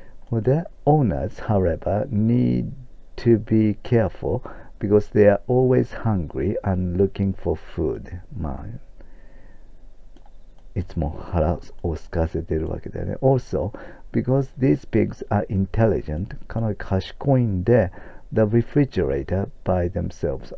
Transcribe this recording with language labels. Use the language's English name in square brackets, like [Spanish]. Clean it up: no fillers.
[English] The owners, however, need to be careful because they are always hungry and looking for food. [Japanese] いつも腹を空かせてるわけだよね。 [English] Also, because these pigs are intelligent, [Japanese] かなり賢いんで、 [English] the refrigerator by themselves.